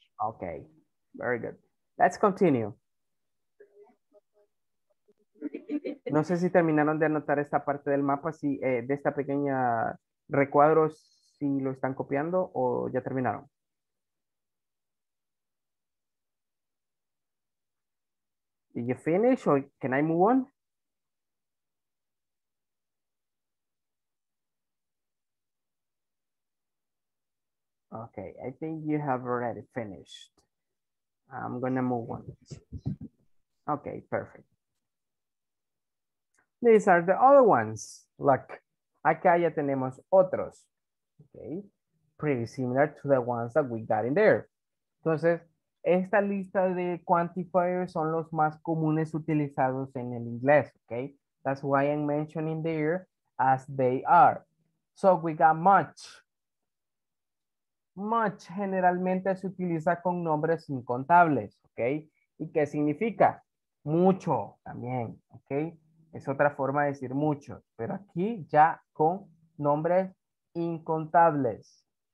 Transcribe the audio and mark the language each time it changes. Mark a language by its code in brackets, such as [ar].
[en] Ok, very good. Let's continue. [es] No sé si terminaron de anotar esta parte del mapa, si, de esta pequeña recuadro, si lo están copiando o ya terminaron. [en] Did you finish or can I move on? Okay, I think you have already finished. I'm gonna move on. Okay, perfect. These are the other ones. Look, [es] acá ya tenemos otros. [en] Okay, pretty similar to the ones that we got in there. [es] Entonces, esta lista de quantifiers son los más comunes utilizados en el inglés. [en] Okay, that's why I'm mentioning there as they are. So we got much. [es] Much generalmente se utiliza con nombres incontables, ¿ok? ¿Y qué significa? Mucho también, ¿ok? Es otra forma de decir mucho, pero aquí ya con nombres incontables.